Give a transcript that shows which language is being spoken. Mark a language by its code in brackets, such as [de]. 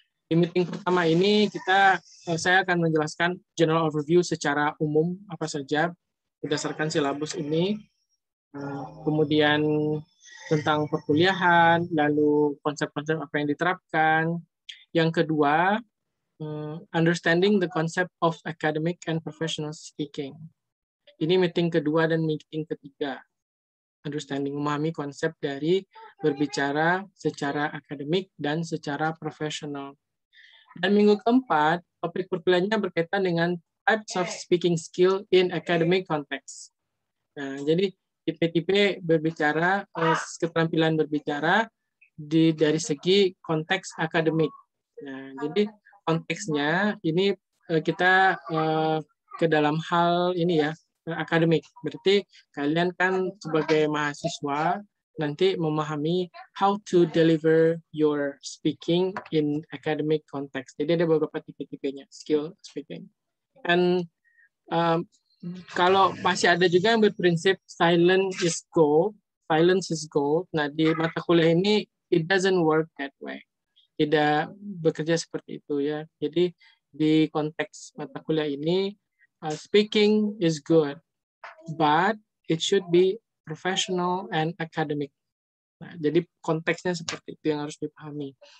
[id] Di meeting pertama ini kita saya akan menjelaskan general overview secara umum apa saja berdasarkan silabus ini, kemudian tentang perkuliahan, lalu konsep-konsep apa yang diterapkan. Yang kedua, [en] understanding the concept of academic and professional speaking. [id] Ini meeting kedua dan meeting ketiga. Understanding, memahami konsep dari berbicara secara akademik dan secara profesional. Dan minggu keempat, topik perkuliahannya berkaitan dengan [en] types of speaking skill in academic context. [id] Nah, jadi tipe-tipe berbicara, keterampilan berbicara di dari segi konteks akademik. Nah, jadi konteksnya ini kita ke dalam hal ini ya, akademik. Berarti kalian kan sebagai mahasiswa nanti memahami [en] how to deliver your speaking in academic context. [id] Jadi ada beberapa tipe-tipenya, skill speaking. And kalau masih ada juga yang berprinsip [en] silence is gold. [id] Nah, di mata kuliah ini [en] it doesn't work that way. [id] Tidak bekerja seperti itu ya. Jadi di konteks mata kuliah ini [en] speaking is good, but it should be professional and academic. [id] Nah, jadi konteksnya seperti itu yang harus dipahami.